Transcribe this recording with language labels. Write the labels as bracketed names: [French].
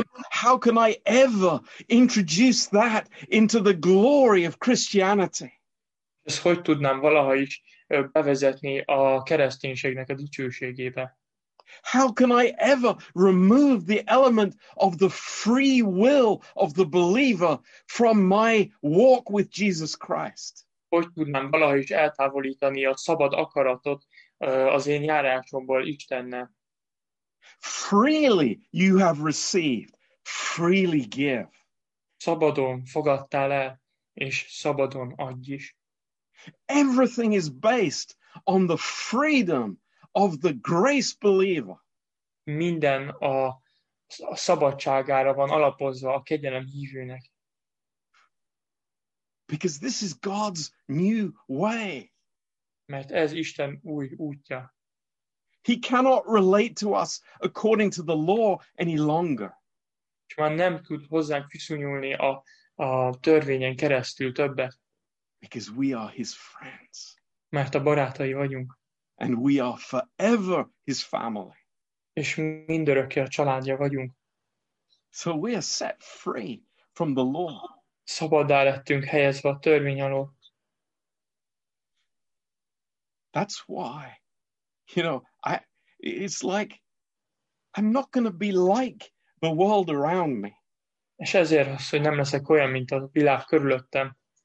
[English] How can I ever introduce that into the glory of Christianity? [Hungarian] Ezt hogy tudnám valaha is bevezetni a kereszténységnek a dicsőségébe? [English] How can I ever remove the element of the free will of the believer from my walk with Jesus Christ? [Hungarian] Hogy tudnám valaha is eltávolítani a szabad akaratot az én járásomból Istennel. [English] Freely you have received, freely give. [Hungarian] Szabadon fogadtál el, és szabadon adj is. [English] Everything is based on the freedom of the grace believer. [Hungarian] Minden a szabadságára van alapozva a kegyelem hívőnek. [English] Because this is God's new way. [Hungarian] Mert ez Isten új útja. [English] He cannot relate to us according to the law any longer. [Hungarian] És már nem tud hozzánk viszonyulni a törvényen keresztül többet. [English] Because we are his friends. [Hungarian] Mert a barátai vagyunk. [English] And we are forever his family. [Hungarian] És mindörökké a családja vagyunk. [English] So we are set free from the law. [Hungarian] Szabaddá lettünk helyezve a törvény alól. [English] That's why, you know, it's like, I'm not going to be like the world around me. [Hungarian] És ezért az, hogy nem leszek olyan, mint a világ körülöttem.